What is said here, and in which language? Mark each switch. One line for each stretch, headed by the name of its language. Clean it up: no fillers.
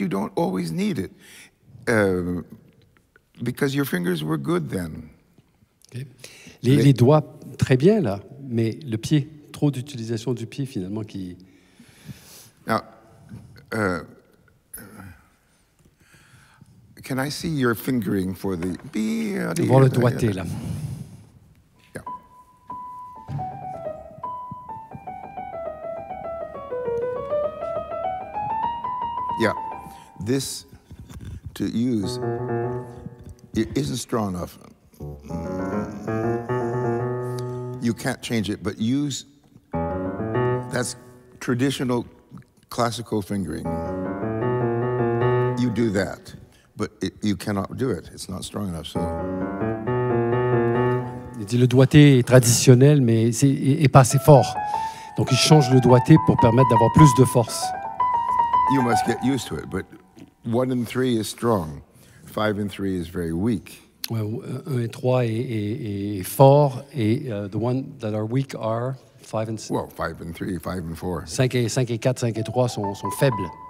English: You don't always need it because your fingers were good then. Okay.
French: Les doigts très bien là, mais le pied. Trop d'utilisation du pied finalement qui.
English: Now, can I see your fingering for the B?
French: Voir le doigté là.
English: Yeah. Yeah. This to use it isn't strong enough. You can't change it, but use. That's traditional classical fingering. You do that, but you cannot do it. It's not strong enough, so.
French: Il dit le doigté est traditionnel, mais c'est pas assez fort. Donc il change le doigté pour permettre d'avoir plus de force.
English: You must get used to it, but 1 and 3 is strong. 5 and 3 is very weak.
French: Ouais, 1 et 3 est fort, et
English: the ones that are weak are...
French: 5 et 4, 5 et 3 sont faibles.